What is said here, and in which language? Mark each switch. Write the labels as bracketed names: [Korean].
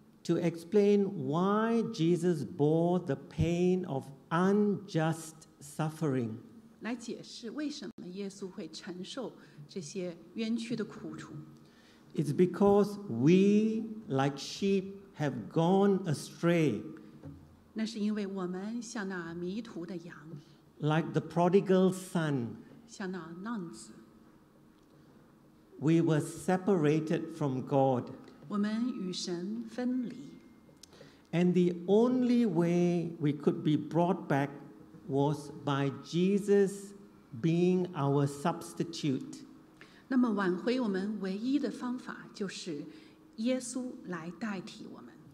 [English] To explain why Jesus bore the pain of unjust suffering. [Chinese] 来解释为什么耶稣会承受这些冤屈的苦楚。 [English] It's because we, like sheep, have gone astray. [Chinese] 那是因为我们像那迷途的羊 [English] ，like the prodigal son， [Chinese] 像那浪子 [English] ，we were separated from God， [Chinese] 我们与神分离 [English] ，and the only way we could be brought back was by Jesus being our substitute。 [Chinese] 那么挽回我们唯一的方法就是耶稣来代替我们。